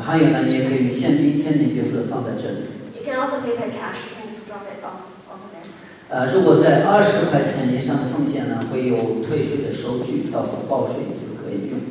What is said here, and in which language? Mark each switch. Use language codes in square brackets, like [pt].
[zh] 还有呢，你也可以用现金，现金就是放在这里。 [en] You can also pay by cash. You can just drop it off over there. [zh] 如果在20块钱以上的奉献呢，会有退税的收据，到时候报税就可以用。